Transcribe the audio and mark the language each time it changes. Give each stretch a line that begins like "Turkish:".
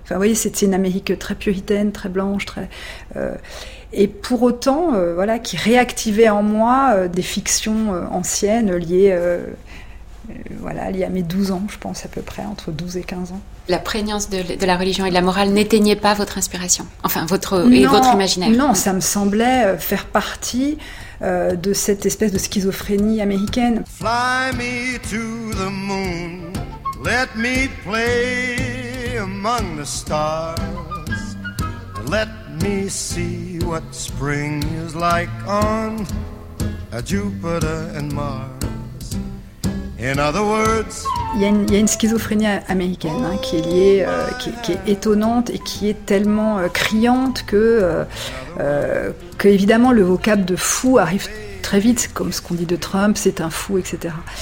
French: Enfin, vous voyez, c'était une Amérique très puritaine, très blanche, très... Et pour autant, voilà, qui réactivait en moi des fictions anciennes liées, liées à mes 12 ans, je pense, à peu près, entre 12 et 15 ans. La prégnance de la religion et de la morale n'éteignait pas votre inspiration, enfin, votre imaginaire. Non, ça me semblait faire partie de cette espèce de schizophrénie américaine.
English: Fly me to the moon, let me play among the stars, let me see what spring is like on Jupiter and Mars. In other words,
French: il y a une schizophrénie américaine hein, qui est liée, qui est étonnante et qui est tellement criante que évidemment le vocable de fou arrive très vite, comme ce qu'on dit de Trump, c'est un fou, etc.